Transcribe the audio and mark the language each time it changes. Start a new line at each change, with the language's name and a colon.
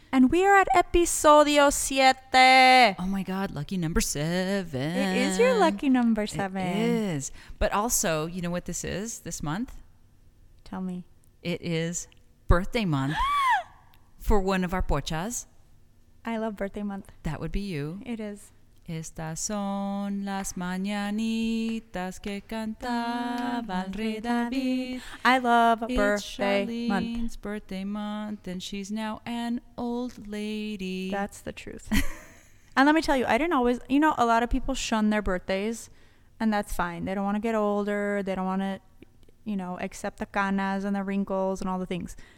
English: And we are at episodio 7. Oh my God, lucky number 7. It is your lucky number 7. It is. But also, you know what this is this month? Tell me. It is birthday month for one of our pochas. I love birthday month. That would be you. It is.
Spanish: Estas son las mañanitas que cantaba el rey David.
English: I love a birthday month. It's Charlene's month. Birthday month, and she's now an old lady. That's the truth. And let me tell you, I didn't always, you know, a lot of people shun their birthdays, and that's fine. They don't want to get older. They don't want to, you know, accept the canas and the wrinkles and all the things.